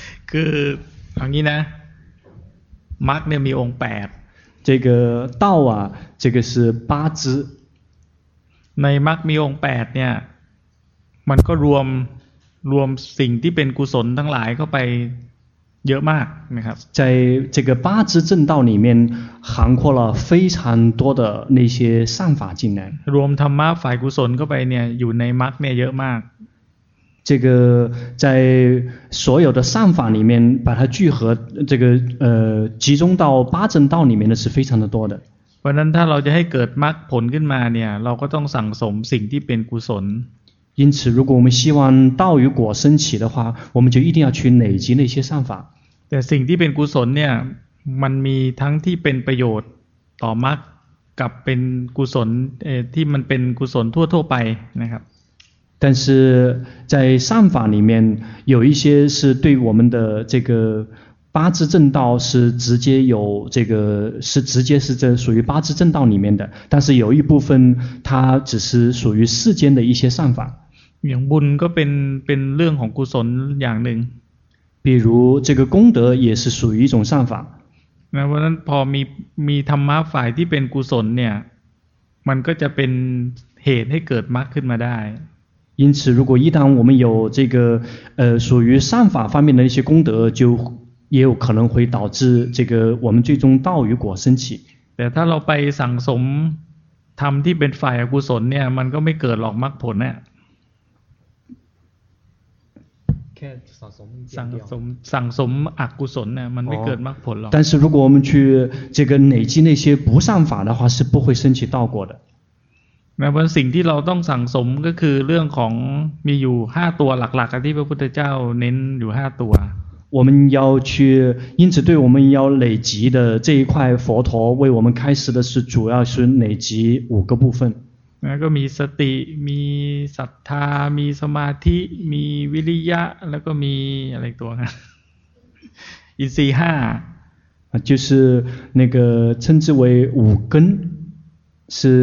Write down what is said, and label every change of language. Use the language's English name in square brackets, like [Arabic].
[Thai] คืออย่างนี้นะมรรคเนี่ยมีองค์แปด [Chinese] 这个道啊这个是八支 [Thai] ในมรรคมีองค์8เนี่ยมันก็รวมสิ่งที่เป็นกุศลทั้งหลายเข้าไปเยอะมากนะครับ [Chinese] ใน这个八支正道里面涵括了非常多的那些善法进来 [Thai] รวมธรรมะฝ่ายกุศลเข้าไปเนี่ยอยู่ในมรรคเนี่ยเยอะมาก [Chinese] 这个在所有的善法里面把它聚合这个集中到八正道里面的是非常的多的 [Thai] เพราะนั้นถ้าเราจะให้เกิดมรรคผลขึ้นมาเนี่ยเราก็ต้องสั่งสมสิ่งที่เป็นกุศล [Chinese] 因此如果我们希望道与果升起的话我们就一定要去累积那些善法 [Thai] แต่สิ่งที่เป็นกุศลเนี่ยมันมีทั้งที่เป็นประโยชน์ต่อมรรคกับเป็นกุศลที่มันเป็นกุศลทั่วไปนะครับ [Chinese] 但是在善法里面有一些是对我们的这个八支正道是直接有这个是直接是这属于八支正道里面的但是有一部分它只是属于世间的一些善法 [Thai] 像บุญก็เป็นเรื่องของกุศลอย่างหนึ่ง [Chinese] 比如这个功德也是属于一种善法 [Thai] เพราะนั้นพอมีธรรมะฝ่ายที่เป็นกุศลเนี่ยมันก็จะเป็นเหตุให้เกิดมรรคขึ้นมาได้ [Chinese] 因此如果一旦我们有这个属于善法方面的一些功德就也有可能会导致这个我们最终道与果升起 [Thai] แต่ถ้าเราไปสั่งสมทำที่เป็นฝ่ายอกุศลเนี่ยมันก็ไม่เกิดหรอกมรรคผลเนี่ยสั่งสมอกุศลเนี่ยมันไม่เกิดมรรคผลหรอก [Chinese] 但是如果我们去这个累积那些不善法的话是不会升起道果的 [Thai] แม้ว่าสิ่งที่เราต้องสั่งสมก็คือเรื่องของมีอยู่5ตัวหลักๆที่พระพุทธเจ้าเน้นอยู่5ตัว [Chinese] 我们要去因此对我们要累积的这一块佛陀为我们开始的是主要是累积5个部分 [Thai] แล้วก็มีสติมีศรัทธามีสมาธิมีวิริยะแล้วก็มีอะไรตัวฮะอินทรีย์5 [Chinese] 就是那个称之为五根是